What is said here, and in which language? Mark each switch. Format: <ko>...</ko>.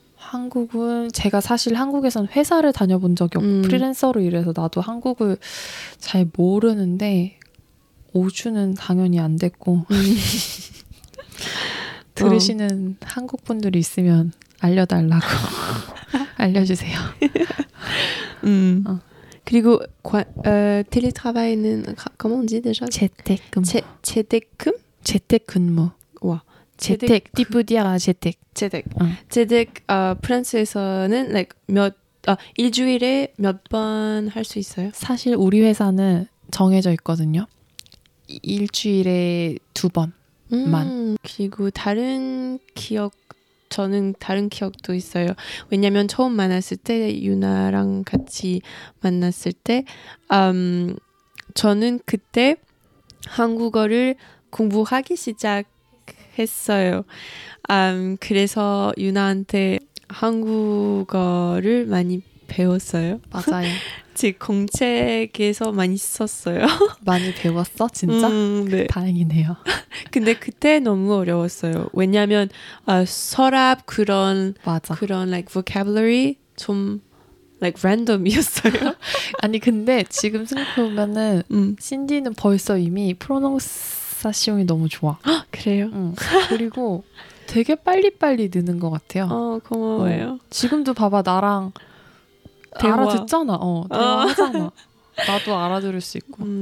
<ko>한국은 제가 사실 한국에선 회사를 다녀본 적이 없고 프리랜서로 일해서 나도 한국을 잘 모르는데 5주는 당연히 안 됐고 들으시는 한국 분들이 있으면 알려달라고 알려주세요. 그리고 텔레트라바이는</ko> <fr>comment on dit déjà?</fr> <ko>재택근무. 재택근? 재택근무. 와. 재택. 디프디아가 재택. 재택. 재택 프랑스에서는 like 몇 일주일에 몇 번 할 수 있어요? 사실 우리 회사는 정해져 있거든요. 일주일에 두 번만. 그리고 다른 기억 저는 다른 기억도 있어요. 왜냐면 처음 만났을 때 유나랑 같이 만났을 때 저는 그때 한국어를 공부하기 시작했어요. 그래서 유나한테 한국어를 많이 배웠어요. 맞아요. 제 공책에서 많이 썼어요. 많이 배웠어? 진짜? 네. 다행이네요. 근데 그때 너무 어려웠어요. 왜냐면 서랍 그런 맞아. 그런</ko> <en>like vocabulary</en> <ko>좀 like random이었어요. 아니 근데 지금 생각해보면은 신디는 벌써 이미 프로농사시용이 너무 좋아. 그래요? 그리고 되게 빨리빨리 느는 것 같아요. 고마워요. 지금도 봐봐 나랑 대화. 알아듣잖아. 대화하잖아. 나도 알아들을 수 있고.</ko>